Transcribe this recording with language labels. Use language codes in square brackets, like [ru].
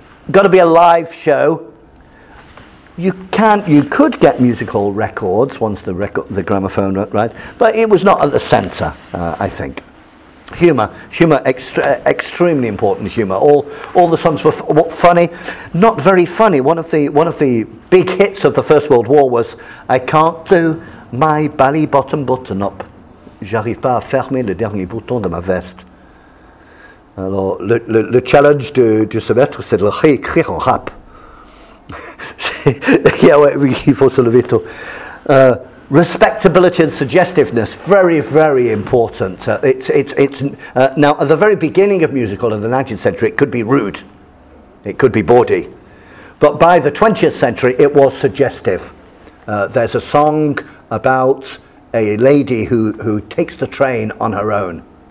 [en] Got to be a live show. You could get musical records once the gramophone went right, but it was not at the centre, I think. Humour, extremely important humour. All the songs were funny, not very funny. One of the big hits of the First World War was "I can't do my belly bottom button up. [fr] J'arrive pas à fermer le dernier bouton de ma veste." Alors, le challenge du semestre, c'est de le réécrire en rap. Yeah, ouais, oui, il faut se lever tôt. [en] Respectability and suggestiveness, very, very important. Now, at the very beginning of musical in the 19th century, it could be rude. It could be bawdy. But by the 20th century, it was suggestive. There's a song about a lady who takes the train on her own.